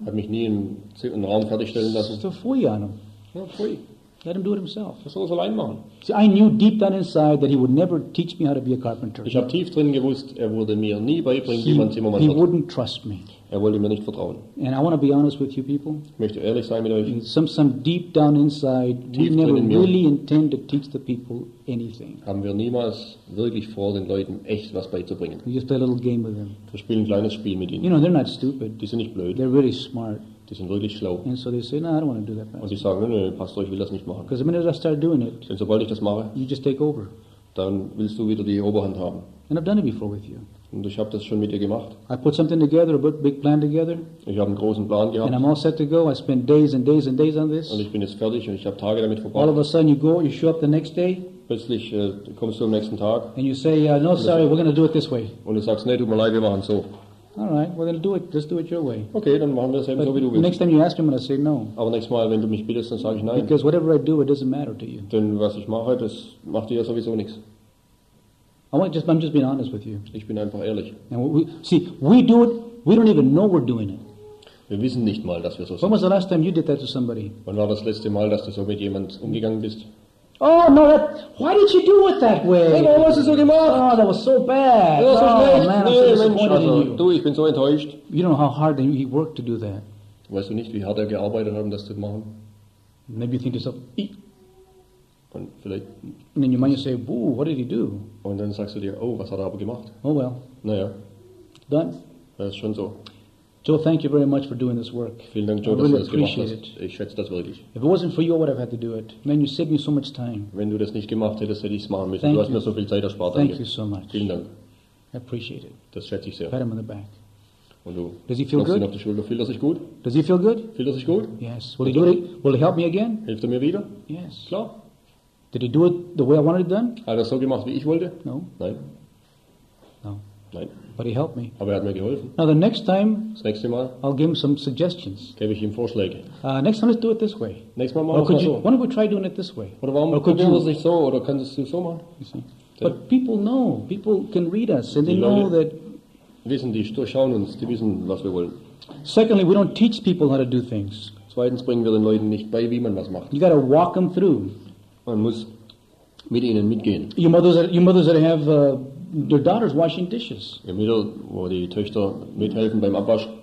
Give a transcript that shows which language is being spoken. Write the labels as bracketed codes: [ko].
[de] Er hat mich nie einen Raum fertigstellen lassen. [en] So fui an him. [de] Ja, fui. [en] Let him do it himself. [de] Er soll es allein machen. [en] See, I knew deep down inside that he would never teach me how to be a carpenter. [de] Ich habe tief drin gewusst, er würde mir nie beibringen, wie man Zimmermann wird. [en] He wouldn't trust me. [de] Er wollte mir nicht vertrauen. [en] And I want to be honest with you people. [de] Ich möchte ehrlich sein mit euch. [en] Some deep down inside, [de] tief [en] we never [de] in [en] really [de] mir. [en] Intend to teach the people anything. [de] Haben wir niemals wirklich vor, den Leuten echt was beizubringen. [en] We just play a little game with them. [de] Wir spielen ein kleines Spiel mit ihnen. [en] You know, they're not stupid. [de] Die sind nicht blöd. [en] They're really smart. [de] Die sind wirklich schlau. [en] And so they say, no, I don't want to do that, Pastor. [de] Und sie sagen, nein, Pastor, ich will das nicht machen. [en] Because the minute I start doing it, [de] denn sobald ich das mache, [en] you just take over. [de] Dann willst du wieder die Oberhand haben. [en] And I've done it before with you. [de] Und ich habe das schon mit dir gemacht. [en] I put something together, a big plan together. [de] Ich habe einen großen Plan gehabt. [en] And I'm all set to go. I spend days and days and days on this. [de] Und ich bin jetzt fertig und ich habe Tage damit verbracht. [en] All of a sudden you go, you show up the next day. [de] Plötzlich kommst du am nächsten Tag. [en] And you say, no, sorry, we're going to do it this way. [de] Und du sagst, nee, tut mir leid, wir machen so. [en] All right, well then do it. Just do it your way. [de] Okay, dann machen wir es eben [en] But [de] so wie du willst. [en] Next time you ask me, I'm going to say no. [de] Aber nächstes Mal, wenn du mich bittest, dann sage ich nein. [en] Because whatever I do, it doesn't matter to you. [de] Denn was ich mache, das macht dir ja sowieso nichts. [en] I'm just being honest with you. [de] Ich bin einfach ehrlich. [en] And we do it. We don't even know we're doing it. [de] Wir wissen nicht mal, dass wir so sind. [en] When was the last time you did that to somebody? [de] Wann war das letzte Mal, dass du so mit jemand umgegangen bist? [en] Oh no! That, why did you do it that way? [de] Hey, warum hast du so gemacht? [en] Oh, that was so bad. [de] Das war so schlecht. [en] Oh, man, I'm so disappointed in you. [de] Du, ich bin so enttäuscht. [en] You don't know how hard he worked to do that. [de] Weißt du nicht, wie hart er gearbeitet hat, um das zu machen? [en] Maybe you think to yourself. [de] Und vielleicht. [en] And then you might say, "Boo! What did he do?" [de] Und dann sagst du dir, "Oh, was hat er aber gemacht?" [en] Oh well. [de] Naja. [en] Done. [de] Das ist schon so. [en] Joe, thank you very much for doing this work. [de] Vielen Dank, Joe, [en] really [de] dass du das gemacht hast. Ich schätze das wirklich. [en] If it wasn't for you, I would have had to do it. Man, you saved me so much time. [de] Wenn du das nicht gemacht hättest, hätte ich es machen müssen. [en] Thank [de] du hast [en] you. [de] Mir so viel Zeit erspart. [en] Thank you so much. [de] Vielen Dank. [en] I appreciate it. [de] Das schätze ich sehr. [en] Pat him on the back. [de] Und du [en] does he feel good? [de] Ihn auf die Schulter. Fühlt er sich gut? [en] Does he feel good? [de] Fühlt er sich gut? [en] Yes. Will he do it? Will he help me again? [de] Hilft er mir wieder? [en] Yes. [de] Klar. [en] Did he do it the way I wanted it done? [de] Hat er so gemacht, wie ich wollte? [en] No. [de] Nein. [en] No. [de] Nein. [en] But he helped me. [de] Aber er hat mir geholfen. [en] Now the next time, [de] das nächste Mal, [en] I'll give him some suggestions. [de] Gebe ich ihm Vorschläge. [en] Next time, let's do it this way. [de] Nächstes Mal machen wir es so. [en] Why don't we try doing it this way? [de] Oder warum probieren wir es nicht so? Oder können Sie es so machen? [en] You see? But people know. People can read us, and they know that. [de] Wissen die, durchschauen uns. Die wissen, was wir wollen. [en] Secondly, we don't teach people how to do things. [de] Zweitens bringen wir den Leuten nicht bei, wie man was macht. [en] You got to walk them through. [de] Man muss mit ihnen mitgehen. [en] Your mothers that have their daughters washing dishes. [de] Ihr Mütter, wo die Töchter mithelfen beim Abwasch.